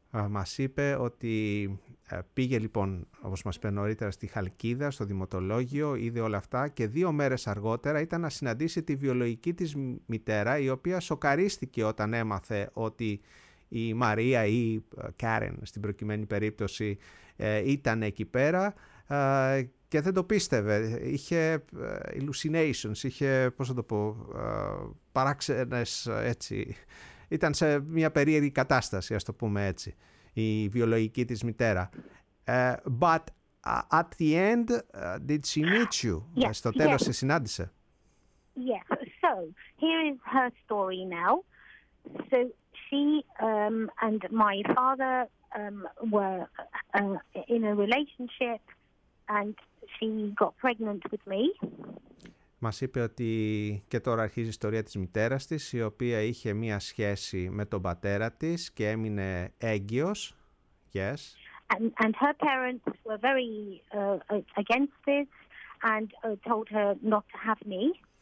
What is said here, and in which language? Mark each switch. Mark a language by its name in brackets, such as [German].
[Greek] Μας είπε ότι πήγε λοιπόν, όπως μας είπε νωρίτερα, στη Χαλκίδα, στο Δημοτολόγιο, είδε όλα αυτά και 2 μέρες αργότερα ήταν να συναντήσει τη βιολογική της μητέρα, η οποία σοκαρίστηκε όταν έμαθε ότι η Μαρία ή η Karen, στην προκειμένη περίπτωση, ήταν εκεί πέρα και δεν το πίστευε. Είχε hallucinations, είχε, πώς θα το πω, παράξενες έτσι... Ήταν σε μια περίεργη κατάσταση, ας το πούμε έτσι, η βιολογική της μητέρα. [English] But at the end, did she meet you? Yes, [Greek] στο τέλος σε συνάντησε. [English] Yes, so here is her story now. So she and my father were in a relationship and she got pregnant with me. [Greek] Μας είπε ότι και τώρα αρχίζει η ιστορία της μητέρας της, η οποία είχε μία σχέση με τον πατέρα της και έμεινε έγκυος. [English] Yes. And her parents were very against this and told her not to have me,